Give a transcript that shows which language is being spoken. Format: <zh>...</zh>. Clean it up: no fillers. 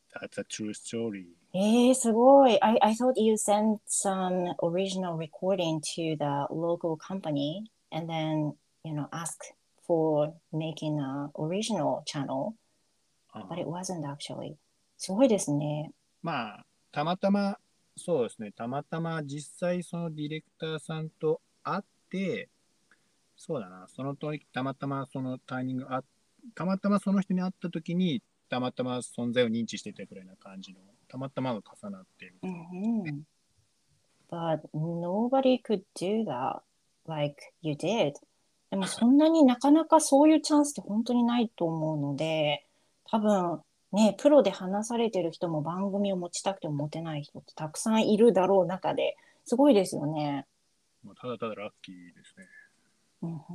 <en>That's a true story.</en> <ja>すごい。</ja> <en>I thought you sent some original recording to the local company and then, ask for making an original channel, but it wasn't actually.</en> <ja>すごいですね。まあたまたま、そうですね、たまたま実際そのディレクターさんと会って、そうだな、その時たまたまそのタイミング、あ、たまたまその人に会った時にたまたま存在を認知しててくれな感じの、たまたまが重なってる、ね。</ja> <en>But nobody could do that like you did。</en> <ja>でもそんなになかなかそういうチャンスって本当にないと思うので、多分ね、プロで話されてる人も番組を持ちたくても持てない人ってたくさんいるだろう中で、すごいですよね。まあ、ただただラッキーですね。</ja>